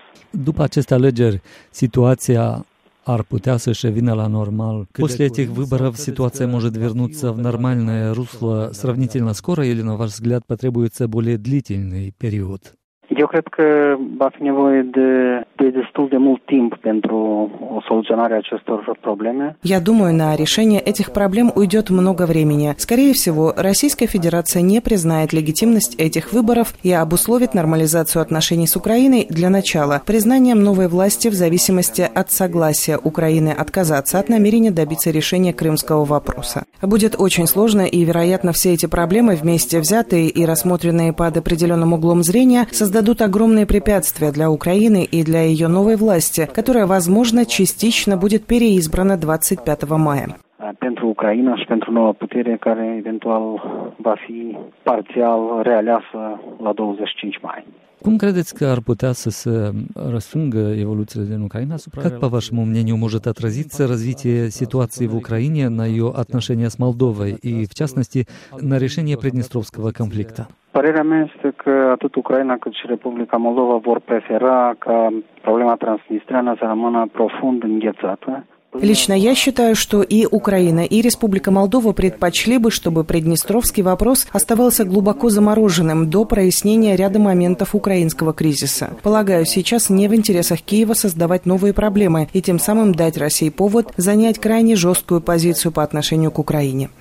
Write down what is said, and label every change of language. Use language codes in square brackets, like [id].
[ro] După aceste alegeri, situația ar putea să revină la normal. [ru] После этих выборов ситуация может вернуться в нормальное русло сравнительно скоро или, на ваш взгляд, потребуется более длительный период? [ro] Eu cred că va fi nevoie de destul de mult timp pentru soluționarea acestor probleme. [ru] Я думаю, на решение этих проблем уйдет много времени. Скорее всего, Российская Федерация не признает легитимность этих выборов и обусловит нормализацию отношений с Украиной для начала признанием новой власти в зависимости от согласия Украины отказаться от намерения добиться решения крымского вопроса. Будет очень сложно, и, вероятно, все эти проблемы, вместе взятые и рассмотренные под определенным углом зрения, создадут огромные препятствия для Украины и для ее новой власти, которая, возможно, частично будет переизбрана 25 мая. [ro] Pentru Ucraina și pentru noua putere care eventual va fi parțial realeasă la 25 mai. Cum credeți că ar putea să se răsungă evoluțiile din Ucraina? [ru] Как, по вашему мнению, может отразиться развитие ситуации в Украине на ее отношения с Молдовой и, в частности, на решение Приднестровского конфликта? [ro] Părerea mea este că atât Ucraina cât și Republica Moldova vor prefera ca problema transnistreană să rămână profund înghețată. [ru] Лично я считаю, что и Украина, и Республика Молдова предпочли бы, чтобы Приднестровский вопрос оставался глубоко замороженным до прояснения ряда моментов украинского кризиса. Полагаю, сейчас не в интересах Киева создавать новые проблемы и тем самым дать России повод занять крайне жесткую позицию по отношению к Украине.